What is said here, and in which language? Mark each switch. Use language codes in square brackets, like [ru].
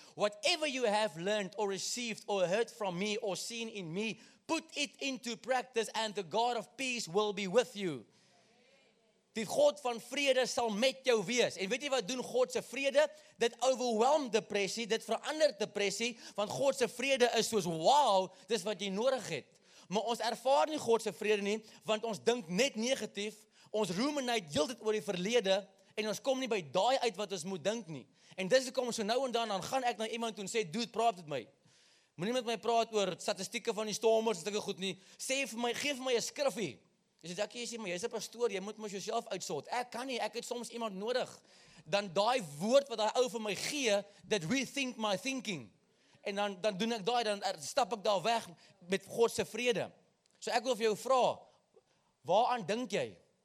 [en] Whatever you have learned or received or heard from me or seen in me, put it into practice and the God of peace will be with you. [af] Die God van vrede sal met jou wees. En weet jy wat doen God se vrede? Dit overwhelm depressie, dit verander depressie, want God se vrede is soos wow, dis wat jy nodig het. Maar ons ervaar nie God se vrede nie, want ons dink net negatief, ons ruminate heeltyd oor die verlede en ons kom nie by daai uit wat ons moet dink nie. En dis hoekom ons so nou en dan gaan ek na iemand toe en sê, "Dude, praat met my." Moenie met my praat oor statistieke van die stormers, dit is ek goed nie. Sê vir my, gee vir my 'n skriffie. Jy sê, Jackie, jy's 'n pastoor, jy moet mos jouself uitsort. Ek kan nie, ek het soms iemand nodig. Dan daai woord wat daai ou vir my gee, dit [en] rethink my thinking. [af] En dan doen ek daai, dan stap ek daar weg met God se vrede. So ek wil vir jou vra, waaraan dink jy?